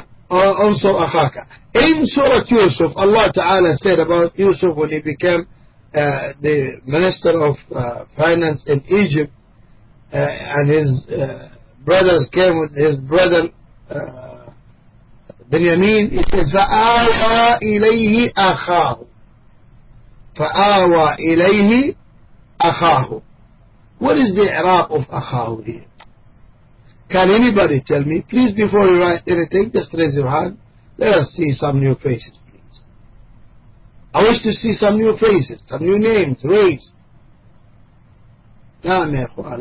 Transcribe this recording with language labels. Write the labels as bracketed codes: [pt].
[en] Also, Akhaka. In Surah Yusuf, Allah Ta'ala said about Yusuf when he became the minister of finance in Egypt, and his brothers came with his brother Benjamin. [ar] He says, فَآوَى إِلَيْهِ أَخَاهُ فَآوَى إِلَيْهِ أَخَاهُ. [en] What is the Iraq of أَخَاهُ here? Can anybody tell me? Please, before you write anything, just raise your hand. Let us see some new faces, please. I wish to see some new faces, some new names raised. [ar] نعم يا أخوان.